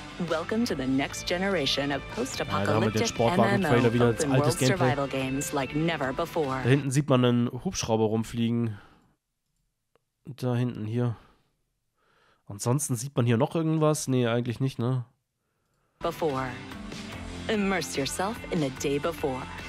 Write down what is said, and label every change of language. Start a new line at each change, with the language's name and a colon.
English: Welcome to the next generation of post-apocalyptic MMO open world survival games like never before.
German: Da hinten sieht man einen Hubschrauber rumfliegen. Da hinten hier. Ansonsten sieht man hier noch irgendwas? Nee, eigentlich nicht, ne?
English: Before. Immerse yourself in the day before.